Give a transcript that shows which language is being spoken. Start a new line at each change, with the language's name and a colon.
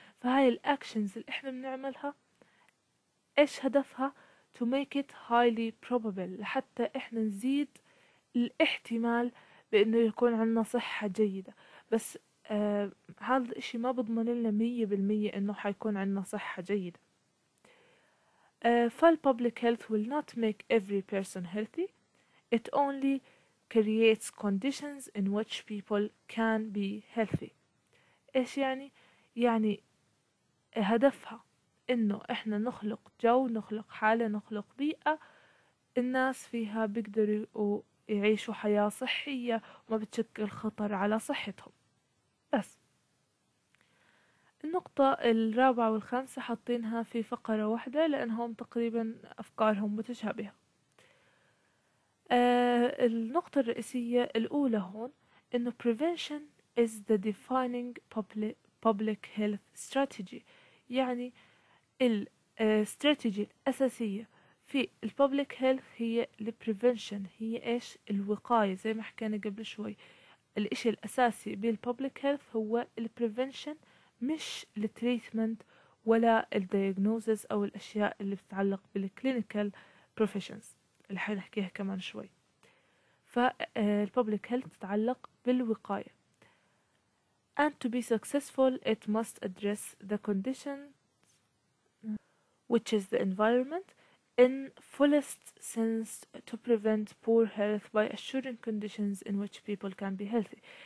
Arabic: فهاي الأكشنز اللي إحنا بنعملها إيش هدفها؟
English: to make it highly probable،
Arabic: لحتى إحنا نزيد الاحتمال بإنه يكون عندنا صحة جيدة. بس هذا الإشي ما بضمن لنا 100% إنه حيكون عندنا صحة جيدة.
English: فالpublic health will not make every person healthy. It only creates conditions in which people can be healthy.
Arabic: إيش يعني؟ يعني هدفها إنه إحنا نخلق جو، نخلق حالة، نخلق بيئة الناس فيها بيقدروا يعيشوا حياة صحية وما بتشكل خطر على صحتهم. بس النقطة الرابعة والخامسة حاطينها في فقرة واحدة لأنهم تقريبا أفكارهم متشابهة. النقطة الرئيسية الأولى هون إنه
English: prevention is the defining public health strategy.
Arabic: يعني الاستراتيجية الأساسية في الpublic health هي prevention، هي إيش؟ الوقاية. زي ما حكينا قبل شوي الإشي الأساسي بالpublic health هو prevention مش التريتمنت ولا الدياغنوزز أو الأشياء اللي بتتعلق بالclinical professions اللي حنحكيها كمان شوي. فالpublic health تتعلق بالوقاية.
English: And to be successful it must address the conditions which is the environment in fullest sense to prevent poor health by assuring conditions in which people can be healthy.